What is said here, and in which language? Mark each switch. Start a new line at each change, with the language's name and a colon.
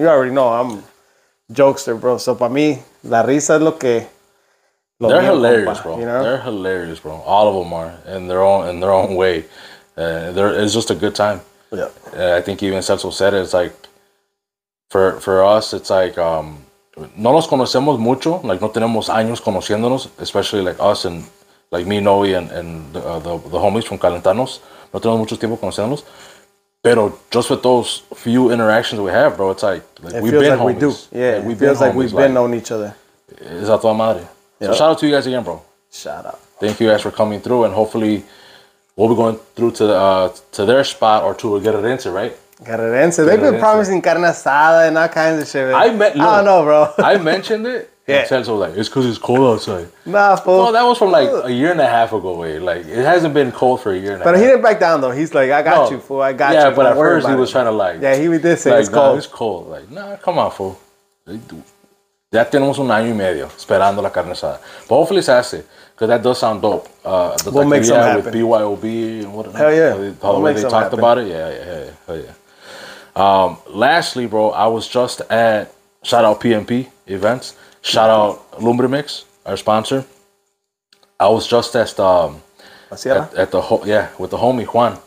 English: You already know, I'm a jokester, bro.
Spanish: So, para mí, la risa es lo que...
English: They're hilarious, bro. You know? They're hilarious, bro. All of them are in their own way. It's just a good time. Yeah. I think even Cecil said it, it's like, for us, it's like...
Spanish: No nos conocemos mucho, like no tenemos años conociéndonos,
English: especially like us and like me, Noe, and the homies from Calentanos.
Spanish: No tenemos mucho tiempo conociéndonos,
English: Pero just with those few interactions we have, bro, it's like we've been like homies. We do. Yeah, like, it feels like we've been known each other.
Spanish: Es a toda madre.
English: Yep. So shout out to you guys again, bro. Shout out. Thank you guys for coming through, and hopefully we'll be going through to their spot or to Guerrerense, right? Guerrerense. They've been promising carne asada and all kinds of shit. I don't know, bro. I mentioned it. Yeah. And Celso was like, it's because it's cold outside. Nah, fool. Well, that was from like a year and a half ago, wait. Like, it hasn't been cold for a year and but a half. But he didn't back down, though. He's like, I got you, fool. I got you. Yeah, but at first he was trying to like. Yeah, he did say like, it's cold. It's cold. Like, nah, come on, fool.
Spanish: Ya tenemos un año y medio esperando la carne asada.
English: But hopefully it's acid. Because that does sound dope. We'll make something happen. With BYOB and whatever. Hell yeah. The way they talked about it. Yeah. Lastly, bro, I was just at, shout out PMP events. Shout out Lumbremix, our sponsor. I was just with the homie Juan.